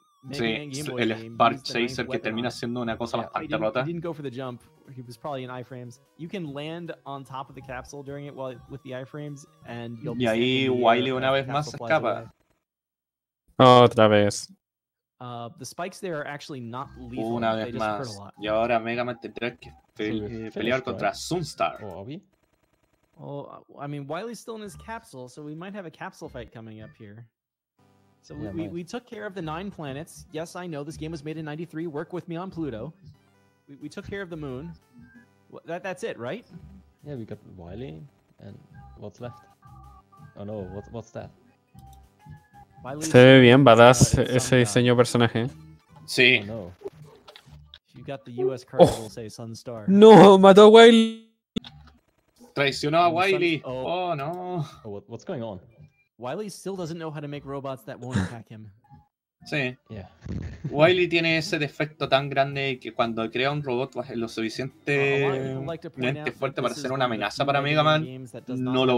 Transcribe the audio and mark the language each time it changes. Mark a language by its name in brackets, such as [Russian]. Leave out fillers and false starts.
[Spanish] Sí, el Spark Chaser que termina siendo una cosa bastante rota. [English] He didn't go for the jump. He was probably in iframes. You can land on top of the capsule during it while with the iframes and you'll be. [Spanish] Y ahí Wily una vez más escapa. Otra vez. [English] The spikes there are actually not lethal. [Spanish] Una vez más. Y ahora Mega Man tendrá que pelear contra Sunstar. [English] Oh, I mean, Wily's still in his capsule, so we might have a capsule fight coming up here. So yeah, we took care of the 9 planets. Yes, I know this game was made in 93. Work with me on Pluto. We took care of the moon. That's it, right? Yeah, we got Wily. And what's left? Oh no, what's that? [Spanish] Wily's se ve bien badass ese diseño personaje. Sí. [English] Oh, no. If you got the US card, oh. We'll say Sunstar. [Spanish] No, mató Wily. Traicionó a Wily. [English] Oh no. Oh, what's going on? Wily still doesn't know how to make robots that won't attack him. [Spanish] Sí. [English] Yeah. [Spanish] Wily tiene ese defecto tan grande que cuando crea un robot lo suficientemente fuerte para ser una amenaza para Mega Man, no lo